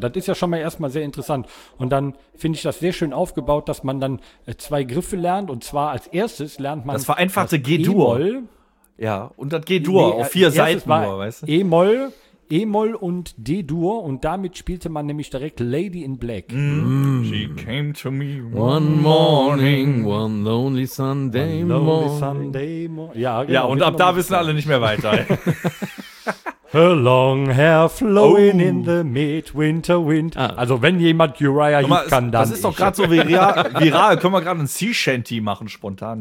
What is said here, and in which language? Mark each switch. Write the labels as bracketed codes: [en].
[de] Das ist ja schon mal erstmal sehr interessant. Und dann finde ich das sehr schön aufgebaut, dass man dann zwei Griffe lernt. Und zwar als erstes lernt man das vereinfachte G-Dur. E-Moll. Ja, und das G-Dur auf vier Saiten nur, weißt du? E-Moll, E-Moll und D-Dur. Und damit spielte man nämlich direkt Lady in Black. Mm. [en] She came to me one morning, one lonely Sunday morning. Lonely Sunday morning. [de] Ja, genau, ja, und ab da wissen alle nicht mehr weiter. [en] Her long hair flowing in the midwinter wind. [de] Ah. Also wenn jemand Uriah Heep kann, dann das ist doch gerade so viral. Können wir gerade ein Sea Shanty machen spontan?